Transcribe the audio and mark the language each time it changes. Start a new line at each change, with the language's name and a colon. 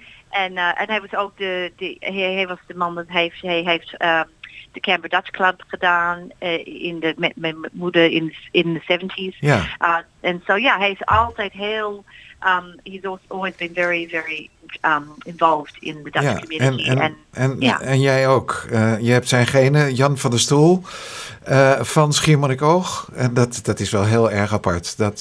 Dutch: En hij was ook de man dat heeft, hij heeft de Canberra Dutch Club gedaan in de met mijn moeder in de 70s. Hij is altijd heel
English: he's always been very, very involved in the Dutch community.
Dutch: En jij ook. Je hebt zijn genen, Jan van der Stoel van Schiermonnikoog. En dat is wel heel erg apart.